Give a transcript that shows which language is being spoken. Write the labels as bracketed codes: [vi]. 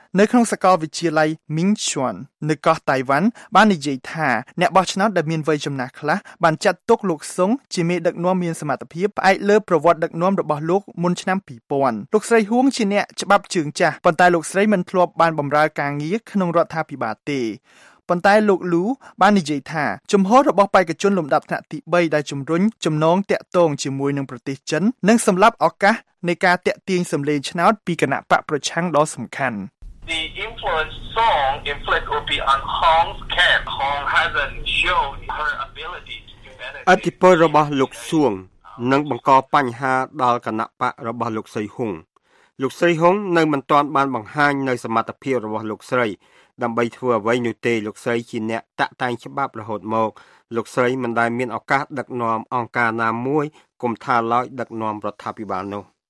[km] នៅក្នុងសាកលវិទ្យាល័យ Ming Chuan នៅកោះតៃវ៉ាន់បាននិយាយថាអ្នកបោះឆ្នោតដែលមានវ័យចំណាស់ខ្លះបានចាត់ទុកលោកសុងជាមេដឹកនាំមានសមត្ថភាពផ្អែកលើប្រវត្តិដឹកនាំរបស់លោកមុនឆ្នាំ2000លោកស្រីហួងជាអ្នកច្បាប់ជើងចាស់ប៉ុន្តែលោកស្រីមិនធ្លាប់បានបម្រើការងារក្នុងរដ្ឋាភិបាលទេប៉ុន្តែលោកលូបាននិយាយថាជំហររបស់បេក្ខជនលំដាប់ថ្នាក់ទី3ដែលជំរុញចំណងតាក់ទងជាមួយនឹងប្រទេសចិននិងសម្លាប់ឱកាសនៃការតាក់ទាញសម្លេងឆ្នោតពីគណៈបកប្រឆាំងដ៏សំខាន់ [en] The influence Song inflicted would be on Hong's camp. Hong hasn't shown her ability to benefit. [km] ឥទ្ធិពលរបស់លោកសួងនឹងបង្កបញ្ហាដល់គណៈបករបស់លោកស្រីហុងលោកស្រីហុងនៅមិនទាន់បានបង្ហាញនូវសមត្ថភាពរបស់លោកស្រីដើម្បីធ្វើអ្វីនោះទេលោកស្រីជាអ្នកតាក់តែងច្បាប់រហូតមកលោកស្រីមិនដែលមានឱកាសដឹកនាំអង្គការណាមួយគំថាឡើយដឹកនាំរដ្ឋាភិបាលនោះ